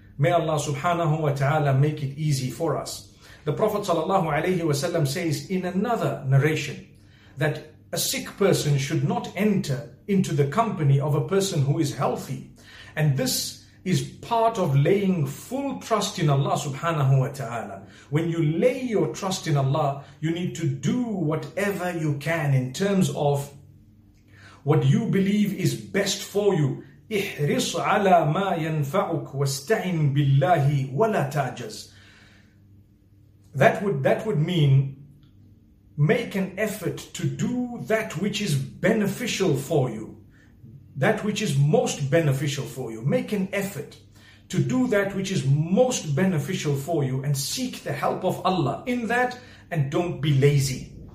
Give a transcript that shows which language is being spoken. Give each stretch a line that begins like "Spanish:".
English: May Allah subhanahu wa ta'ala make it easy for us. The Prophet sallallahu alayhi wa sallam says in another narration that a sick person should not enter into the company of a person who is healthy. And this is part of laying full trust in Allah subhanahu wa ta'ala. When you lay your trust in Allah, you need to do whatever you can in terms of what you believe is best for you
Arabic: احرص على ما ينفعك واستعن بالله ولا تعجز.
English: That would mean make an effort to do that which is beneficial for you, that which is most beneficial for you. Make an effort to do that which is most beneficial for you and seek the help of Allah in that, and don't be lazy.